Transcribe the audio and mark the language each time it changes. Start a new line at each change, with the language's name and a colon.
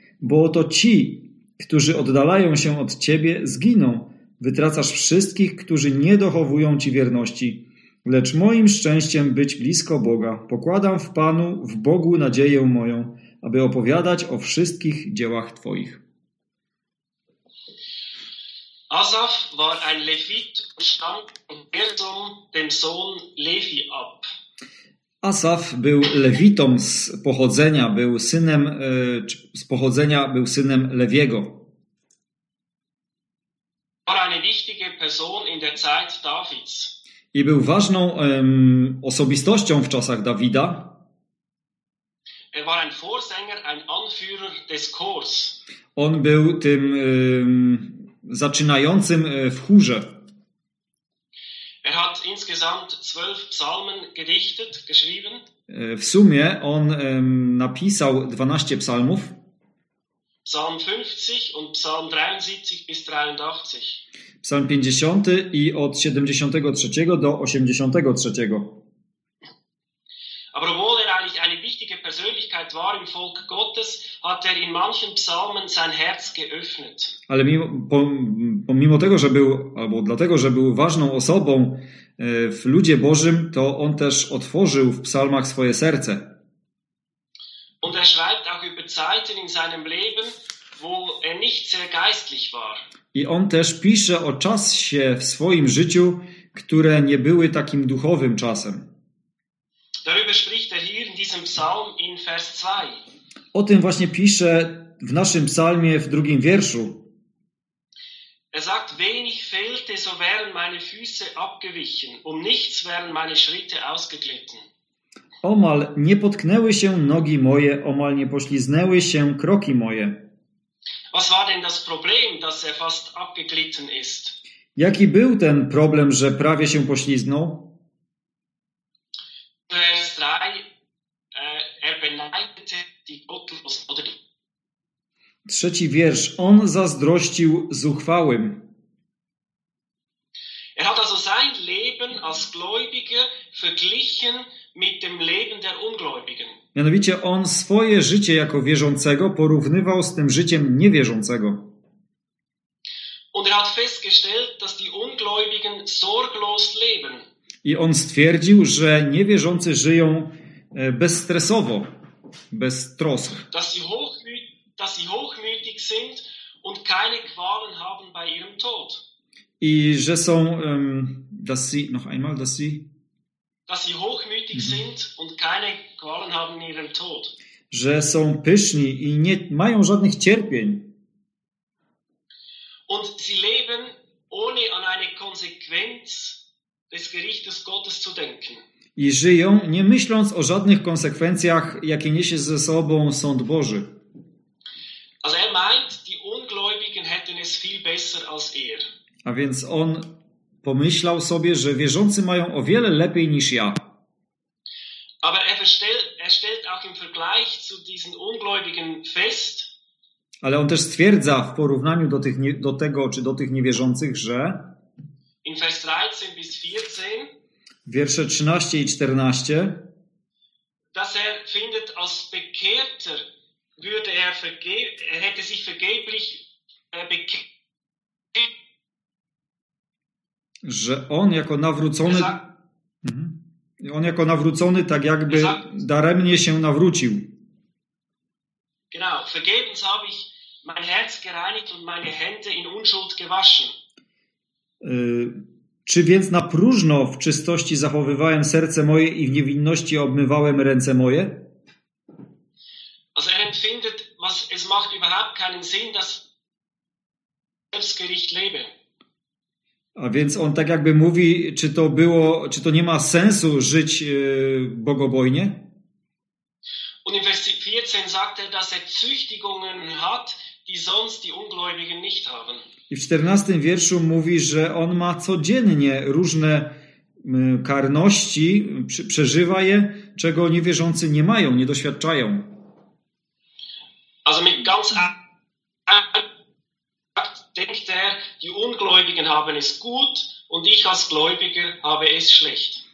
Polish: Bo oto ci, którzy oddalają się od Ciebie, zginą. Wytracasz wszystkich, którzy nie dochowują Ci wierności. Lecz moim szczęściem być blisko Boga. Pokładam w Panu, w Bogu nadzieję moją, aby opowiadać o wszystkich dziełach Twoich.
German: Asaf war ein Levit und stammte von dem Sohn Levi ab.
Polish: Asaf był lewitą z pochodzenia, był synem Lewiego.
German: War eine wichtige Person in der Zeit Davids.
Polish: I był ważną osobistością w czasach Dawida.
German: Er war ein Vorsänger, ein Anführer des Chors.
Polish: On był tym zaczynającym w chórze.
German: Er hat insgesamt 12 psalmen gedichtet, geschrieben.
Polish: W sumie on napisał 12 psalmów.
German: Psalm 50 und Psalm 73 bis 83.
Polish: Psalm 50 i od 73 do 83.
German: Aber obwohl er eigentlich eine wichtige Persönlichkeit war im Volk Gottes, hat er in manchen Psalmen sein Herz geöffnet.
Polish: Ale pomimo tego, że był, albo dlatego, że był ważną osobą w ludzie Bożym, to on też otworzył w psalmach swoje serce.
German: Und er schreibt auch über Zeiten in seinem Leben, wo er nicht sehr geistlich war.
Polish: I on też pisze o czasie w swoim życiu, które nie były takim duchowym czasem.
German: Darüber spricht er hier in diesem Psalm in Vers 2.
Polish: O tym właśnie pisze w naszym psalmie w drugim wierszu.
German: Er sagt, wenig fehlte, so wären meine Füße abgewichen, um nichts wären meine Schritte ausgeglitten.
Polish: Omal nie potknęły się nogi moje, omal nie pośliznęły się kroki moje.
German: Was war denn das Problem, dass er fast abgeglitten ist?
Polish: Jaki był ten problem, że prawie się pośliznął?
German: Vers 3, er beneidete die Gottlosen.
Polish: Trzeci wiersz. On zazdrościł zuchwałym.
German: Er hat also sein Leben als Gläubiger verglichen mit dem Leben der Ungläubigen.
Polish: Mianowicie on swoje życie jako wierzącego porównywał z tym życiem niewierzącego.
German: Und er hat festgestellt, dass die Ungläubigen sorglos leben.
Polish: I on stwierdził, że niewierzący żyją bezstresowo, bez trosk.
German: Dass sie hochmütig sind und keine Qualen haben bei ihrem Tod.
Polish: I że są,
German: dass sie, noch einmal, dass sie... Dass sie hochmütig sind und keine Qualen haben in ihrem Tod.
Polish: Że są pyszni i nie mają żadnych cierpień.
German: Und sie leben ohne an eine Konsequenz des Gerichtes Gottes zu denken.
Polish: I żyją, nie myśląc o żadnych konsekwencjach, jakie niesie ze sobą sąd Boży.
German: Also er meint, die Ungläubigen hätten es viel besser als er.
Polish: A więc on pomyślał sobie, że wierzący mają o wiele lepiej niż ja.
German: Aber er stellt auch im Vergleich zu diesen Ungläubigen fest.
Polish: Ale on też stwierdza w porównaniu do tych, do tego, czy do tych niewierzących, że
German: in Vers 13 bis 14,
Polish: wiersze 13 i 14,
German: dass er findet als Bekehrter würde er vergeben, er hätte sich vergeblich
Polish: że on jako nawrócony on jako nawrócony tak jakby daremnie się nawrócił.
German: Genau, vergebens habe ich mein Herz gereinigt und meine Hände in Unschuld gewaschen.
Polish: Czy więc na próżno w czystości zachowywałem serce moje i w niewinności obmywałem ręce moje?
German: Also er empfindet, was es macht überhaupt keinen Sinn, dass Selbstgericht lebe.
Polish: A więc on tak jakby mówi, czy to było, czy to nie ma sensu żyć bogobojnie?
German: Und in Vers 14 sagt er, dass er Züchtigungen hat, die sonst die Ungläubigen nicht haben.
Polish: I w 14 wierszu mówi, że on ma codziennie różne karności, przeżywa je, czego niewierzący nie mają, nie doświadczają.
German: Also mit ganz denkt er, die Ungläubigen haben es gut und ich als Gläubiger habe es schlecht.